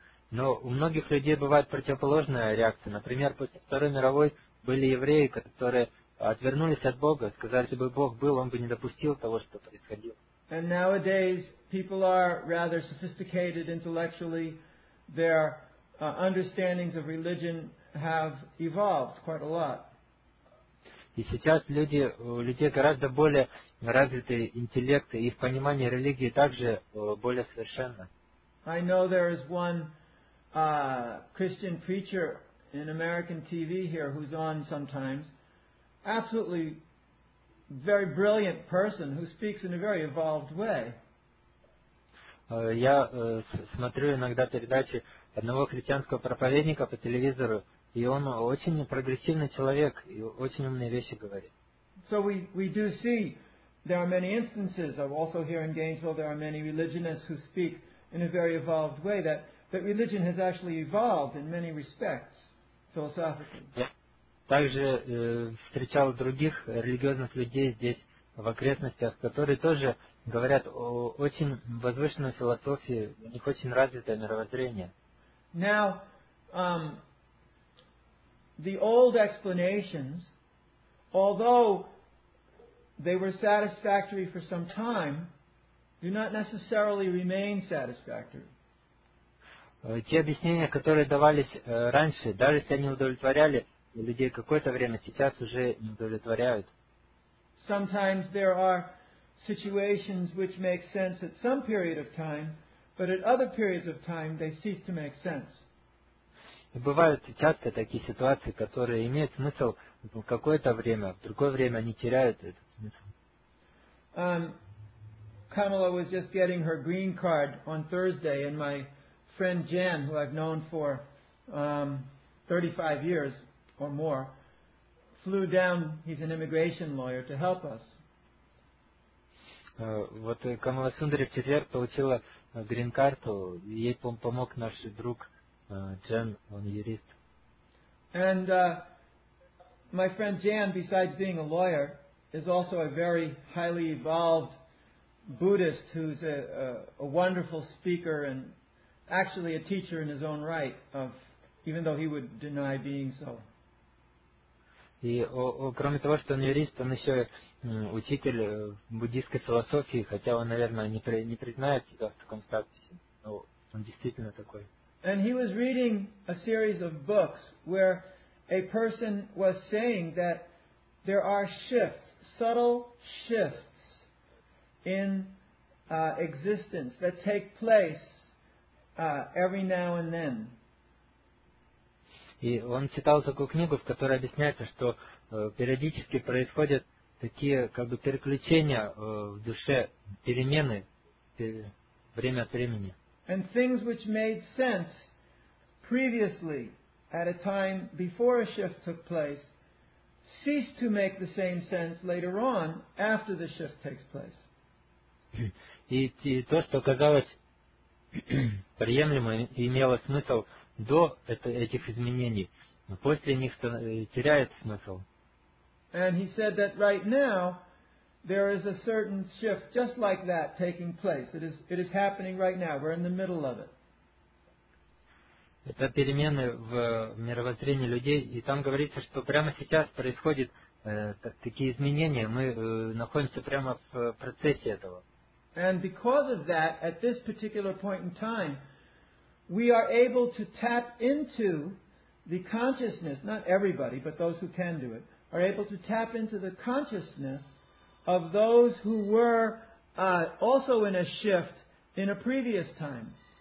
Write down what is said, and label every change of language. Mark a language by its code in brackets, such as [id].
[ru] Но у многих людей бывает противоположная реакция. Например, после Второй мировой были евреи, которые отвернулись от Бога, сказали, если бы Бог был, он бы не допустил того, что происходило. [en] And nowadays people are rather sophisticated intellectually. Their understandings of religion have evolved quite a lot. [ru] И сейчас люди, у людей гораздо более развитый интеллект, и их понимание религии также более совершенно. [en] I know there is one Christian preacher in American TV here who's on sometimes, absolutely very brilliant person who speaks in a very evolved way. [ru] Я смотрю иногда передачи одного христианского проповедника по телевизору, и он очень прогрессивный человек и очень умные вещи говорит. [en] So we do see there are many instances of also here in Gainesville there are many religionists who speak in a very evolved way that religion has actually evolved in many respects philosophically. [ru] Я также встречал других религиозных людей здесь в окрестностях, которые тоже говорят о очень возвышенной философии, у них очень развитое мировоззрение. [en] Now, the old explanations, although they were satisfactory for some time, do not necessarily remain satisfactory. [ru] Те объяснения, которые давались раньше, даже если они удовлетворяли людей какое-то время, сейчас уже не удовлетворяют. [en] Sometimes there are situations which make sense at some period of time, but at other periods of time they cease to make sense. [ru] И бывают часто такие ситуации, которые имеют смысл в какое-то время, в другое время они теряют этот смысл. [en] Kamala was just getting her green card on Thursday, and my friend Jan, who I've known for 35 years or more, flew down, he's an immigration lawyer, to help us. [ru] Вот Камала Сундари в четверг получила грин-карту, ей помог наш друг Джан, он юрист. [en] And my friend Jan, besides being a lawyer, is also a very highly evolved Buddhist who's a wonderful speaker and actually a teacher in his own right, of even though he would deny being so. [ru] И кроме того, что он юрист, он еще учитель буддийской философии, хотя он, наверное, не признает себя в таком статусе, но он действительно такой. [en] And he was reading a series of books where a person was saying that there are shifts, subtle shifts in existence that take place every now and then. [ru] И он читал такую книгу, в которой объясняется, что периодически происходят такие как бы переключения в душе, перемены время от времени. [en] And things which made sense previously at a time before a shift took place cease to make the same sense later on after the shift takes place. [ru] И то, что казалось приемлемым, имело смысл до этих изменений, после них теряет смысл. [en] And he said that right now there is a certain shift just like that taking place. It is happening right now. We're in the middle of it. [ru] Это перемены в мировоззрении людей, и там говорится, что прямо сейчас происходят такие изменения. Мы находимся прямо в процессе этого. [en] And because of that, at this particular point in time, we are able to tap into the consciousness, not everybody, but those who can do it, are able to tap into the consciousness of those who were also in a shift in a previous time.